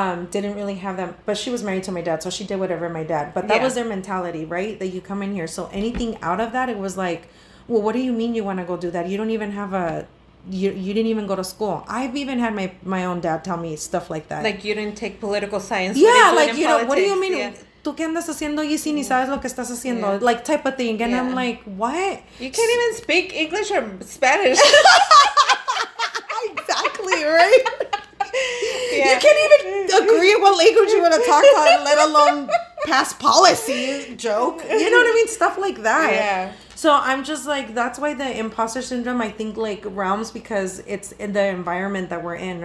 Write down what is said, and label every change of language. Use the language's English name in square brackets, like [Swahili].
[English] didn't really have them, but she was married to my dad, so she did whatever my dad, but that was their mentality, right? That you come in here, so anything out of that, it was like, well, what do you mean you want to go do that? You don't even have you didn't even go to school. I've even had my own dad tell me stuff like that, like, you didn't take political science, like, you know, what do you mean? [Spanish] Tú qué andas haciendo y si ni sabes lo que estás haciendo, like, type of thing. [English] And I'm like, what, you can't even speak English or Spanish. Exactly, right? You can't even agree what language you want to talk on, let alone pass policy joke. You know what I mean? Stuff like that. Yeah. So I'm just like, that's why the imposter syndrome, I think, like, realms, because it's in the environment that we're in.